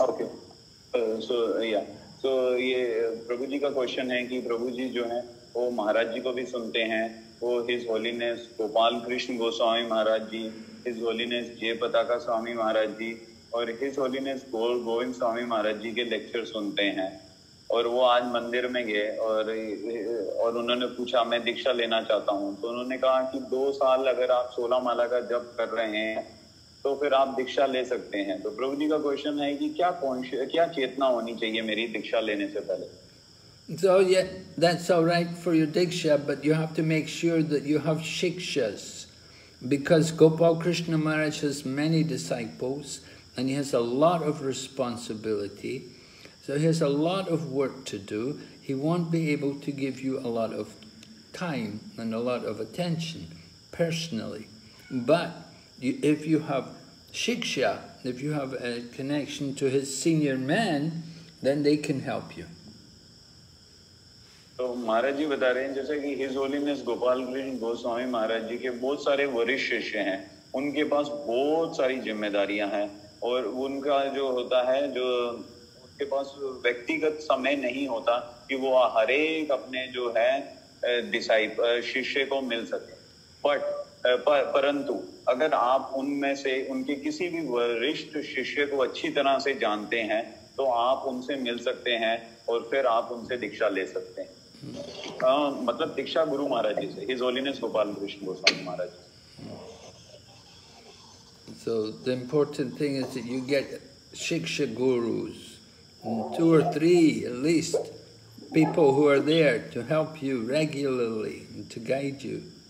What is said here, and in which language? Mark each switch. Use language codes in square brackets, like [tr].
[en] Okay. So, yeah. So, Prabhu Ji's question is that Prabhu Ji, who is Maharaj Ji, His Holiness Gopal Krishna Goswami Maharaj Ji, His Holiness Jay Pataka Swami Maharaj Ji, and His Holiness Gol Govind Swami Maharaj Ji's lectures. And he went to the temple today, and he asked if I want to take diksha. So he said that if you are doing 2 years, you can take diksha. [hi] So फिर आप दीक्षा ले सकते हैं तो प्रभु जी का question है कि क्या क्या चेतना होनी चाहिए मेरी दीक्षा लेने से पहले. [en] So yeah, that's all right for your diksha, but you have to make sure that you have shikshas, because Gopal Krishna Maharaj has many disciples and he has a lot of responsibility, so he has a lot of work to do. He won't be able to give you a lot of time and a lot of attention personally, but if you have shiksha, if you have a connection to his senior men, then they can help you. [hi] तो महाराज जी बता रहे हैं जैसे कि his holiness Gopal Krishna Goswami महाराज जी के बहुत सारे वरिष्ठ शिष्य हैं, उनके पास बहुत सारी जिम्मेदारियां हैं और उनका जो होता है जो उनके पास व्यक्तिगत समय नहीं होता कि वो हर एक अपने जो है डिसाइपल शिष्य को मिल सके, बट परंतु अगर आप उनमें से उनके किसी भी वरिष्ठ शिष्य को अच्छी तरह से जानते हैं तो आप उनसे मिल सकते हैं और फिर आप उनसे दीक्षा ले सकते हैं, मतलब दीक्षा गुरु महाराज जी से, his holiness Gopal Krishna Goswami Maharaj ji. [en] So the important thing is that you get shiksha gurus, two or three at least, people who are there to help you regularly and to guide you.